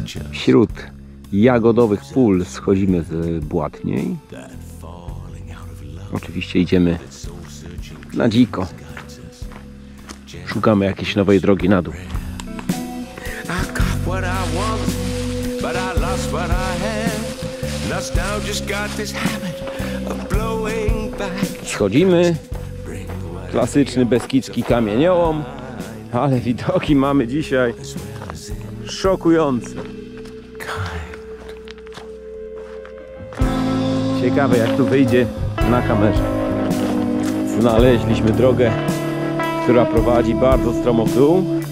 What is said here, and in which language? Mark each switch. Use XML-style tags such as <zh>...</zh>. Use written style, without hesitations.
<pl>Wśród jagodowych pól schodzimy z Błatniej. Oczywiście idziemy na dziko. Szukamy jakiejś nowej drogi na dół.</pl> <en>I got what I want, but I lost what I have. Nostalgia's got this habit of blowing back.</en> <pl>Schodzimy. Klasyczny beskidzki kamieniołom, ale widoki mamy dzisiaj szokujące. Ciekawe jak tu wyjdzie na kamerze. Znaleźliśmy drogę, która prowadzi bardzo stromo w dół.</pl>